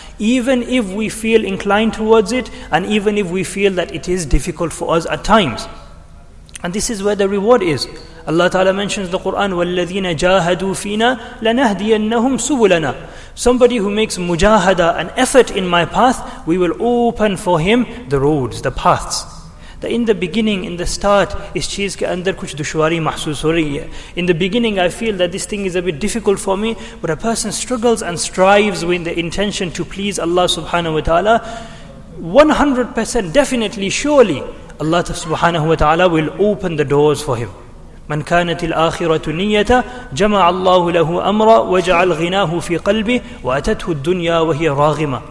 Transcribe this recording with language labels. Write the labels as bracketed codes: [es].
[en] Even if we feel inclined towards it, and even if we feel that it is difficult for us at times. And this is where the reward is. Allah Ta'ala mentions the Quran, [ar] وَالَّذِينَ جَاهَدُوا فِينا لَنَهْدِيَنَّهُمْ سُبُلَنَا. [en] Somebody who makes mujahada, an effort in my path, we will open for him the roads, the paths. That in the beginning, in the start, [ur] اس چیز کے اندر کچھ دشواری محسوس ہو رہی ہے۔ [en] In the beginning I feel that this thing is a bit difficult for me, but a person struggles and strives with the intention to please Allah subhanahu wa ta'ala, 100% definitely, surely, Allah subhanahu wa ta'ala will open the doors for him. [ar] مَنْ كَانَتِ الْآخِرَةُ نِيَّةَ جَمَعَ اللَّهُ لَهُ أَمْرًا وَجَعَ الْغِنَاهُ فِي قَلْبِهِ وَأَتَتْهُ الدُّنْيَا وَهِيَ رَاغِمًا.